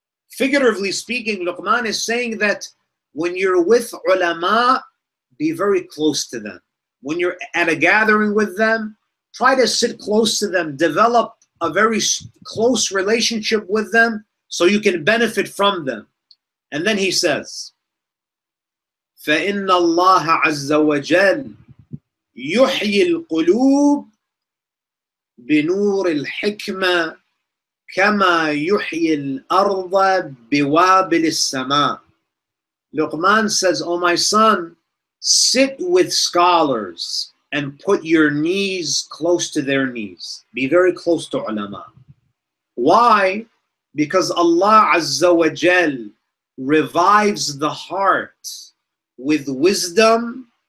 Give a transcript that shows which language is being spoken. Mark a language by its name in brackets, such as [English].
[English] Figuratively speaking, Luqman is saying that when you're with ulama, be very close to them. When you're at a gathering with them, try to sit close to them, develop a very close relationship with them so you can benefit from them. And then he says, [Arabic] فَإِنَّ اللَّهَ عَزَّ وَجَلْ يُحْيِي الْقُلُوبِ بِنُورِ الْحِكْمَةِ كَمَا يُحْيِي الْأَرْضَ بِوَابِلِ السَّمَاءِ. [English] Luqman says, O my son, sit with scholars and put your knees close to their knees. Be very close to ulama. Why? Because Allah Azza wa Jal revives the heart with wisdom.